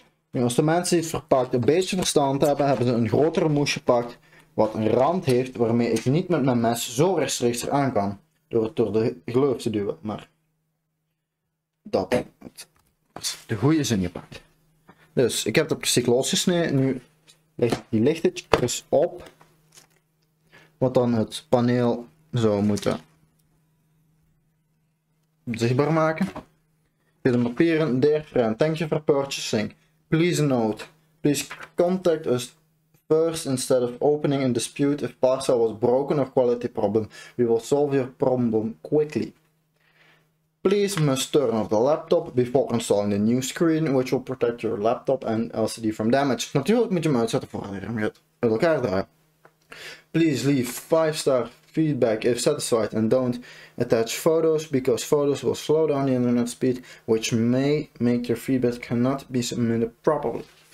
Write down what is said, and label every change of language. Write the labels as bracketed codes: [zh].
[nl] Nu, als de mensen die het verpakt een beetje verstand hebben, hebben ze een grotere mousse gepakt wat een rand heeft waarmee ik niet met mijn mes zo rechtstreeks eraan kan door het door de gleuf te duwen, maar dat is de goede zin gepakt. Dus ik heb het op de stick losgesneden, nu ligt die lichtetjes op, wat dan het paneel zou moeten zichtbaar maken. Dit is papieren, [en] dear friend, thank you for purchasing. Please note, please contact us first instead of opening a dispute if parcel was broken or quality problem. We will solve your problem quickly. Please must turn off the laptop before installing the new screen, which will protect your laptop and LCD from damage. [nl] Natuurlijk moet je hem uitzetten voor je het uit elkaar draait. [en] Please leave 5-star feedback if satisfied and don't attach photos because photos will slow down the internet speed, which may make your feedback cannot be submitted properly.